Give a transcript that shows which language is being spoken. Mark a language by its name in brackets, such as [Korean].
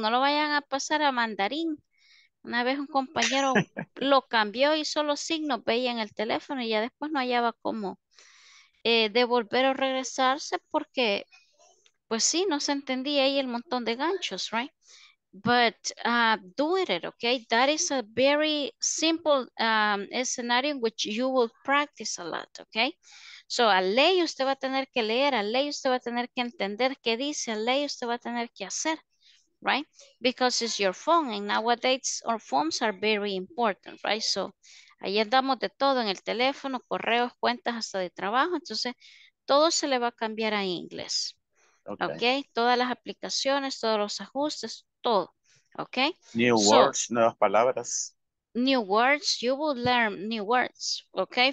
[Spanish] No lo vayan a pasar a mandarín. Una vez un compañero lo cambió y solo signos veía en el teléfono y ya después no hallaba cómo devolver o regresarse porque... Pues sí, no se entendía ahí el montón de ganchos, right? [English] But do it, okay? That is a very simple scenario in which you will practice a lot, okay? [Spanish] So a ley usted va a tener que leer, a ley usted va a tener que entender qué dice, a ley usted va a tener que hacer, right? [English] Because it's your phone, and nowadays our phones are very important, right? [Spanish] So ahí andamos de todo en el teléfono, correos, cuentas, hasta de trabajo. Entonces todo se le va a cambiar a inglés. Okay. Ok, todas las aplicaciones, todos los ajustes, todo, ok. [English] New words, [Spanish] nuevas palabras. [English] New words, you will learn new words, ok.